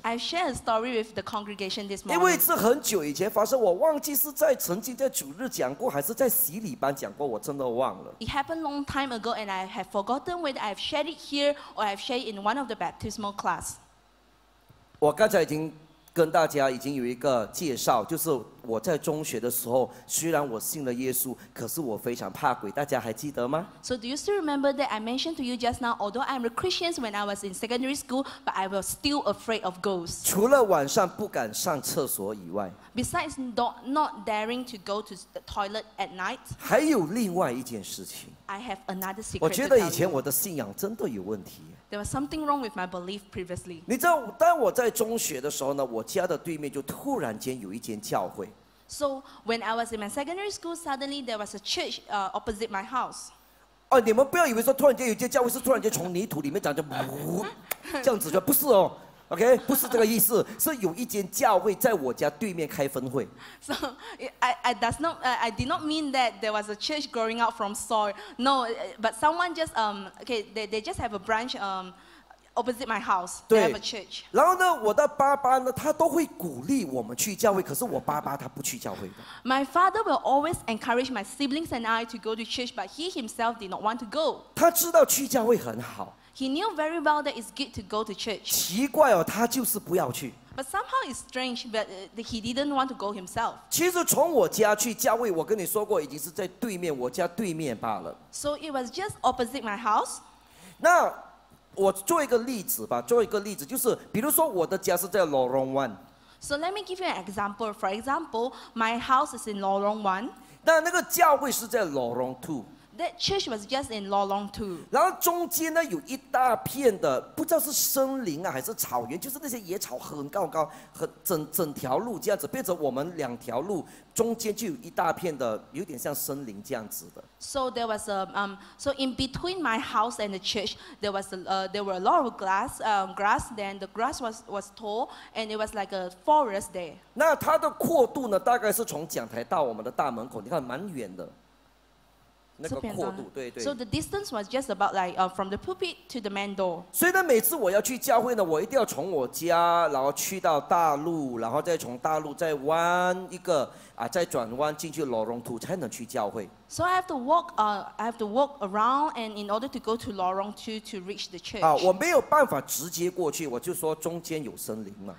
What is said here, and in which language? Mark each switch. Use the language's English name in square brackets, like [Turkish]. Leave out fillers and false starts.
[English] I share a story with the congregation this morning. [Chinese] 因为是很久以前发生，我忘记是在曾经在主日讲过还是在洗礼班讲过，我真的忘了。 [English] It happened long time ago, and I have forgotten whether I've shared it here or I've shared it in one of the baptismal class. [Chinese] 我刚才已经。跟大家已经有一个介绍，就是我在中学的时候，虽然我信了耶稣，可是我非常怕鬼。大家还记得吗 [English] ？So do you still remember that I mentioned to you just now? Although I'm a Christian when I was in secondary school, but I was still afraid of ghosts. [Chinese] 除了晚上不敢上厕所以外 [English] ，besides not daring to go to the toilet at night， [Chinese] 还有另外一件事情。 [English] I have another secret. [Chinese] 我觉得以前我的信仰真的有问题。 [English] There was something wrong with my belief previously. [Chinese] 你知道，当我在中学的时候呢，我家的对面就突然间有一间教会。 [English] So when I was in my secondary school, suddenly there was a church opposite my house. [Chinese] 哦，你们不要以为说突然间有一间教会是突然间从泥土里面长着，这样子的，不是哦。 OK， 不是这个意思，是有一间教会在我家对面开分会。 [English] So I does not I did not mean that there was a church growing out from soil. No, but someone just okay they just have a branch opposite my house. They have a church. [Chinese] 然后呢，我的爸爸呢，他都会鼓励我们去教会，可是我爸爸他不去教会的。 [English] My father will always encourage my siblings and I to go to church, but he himself did not want to go. [Chinese] 他知道去教会很好。 [English] He knew very well that it's good to go to church. [Chinese] 奇怪哦，他就是不要去。 [English] But somehow it's strange, but he didn't want to go himself. [Chinese] 其实从我家去教会，我跟你说过，已经是在对面，我家对面罢了。 [English] So it was just opposite my house. [Chinese] 那我做一个例子吧，做一个例子，就是比如说我的家是在 Lorong One. [English] So let me give you an example. For example, my house is in Lorong One. [Chinese] 那个教会是在 Lorong Two. [English] that church was just in Lorong 2. [Chinese] 然后中间呢有一大片的，不知道是森林啊还是草原，就是那些野草很高高，很整条路这样子，变成我们两条路中间就有一大片的，有点像森林这样子的。 [English] So there was a so in between my house and the church, there was there were a lot of grass, grass. Then the grass was tall, and it was like a forest there. [Chinese] 那它的阔度呢，大概是从讲台到我们的大门口，你看蛮远的。那个阔度，对对。 [English] So the distance was just about like from the pulpit to the main door. [Chinese] 所以呢，每次我要去教会呢，我一定要从我家，然后去到大路，然后再从大路再弯一个啊，再转弯进去Lorong 2才能去教会。 [English] So I have to walk, I have to walk around, and in order to go to Lorong 2 to reach the church. [Chinese] 啊，我没有办法直接过去，我就说中间有森林嘛。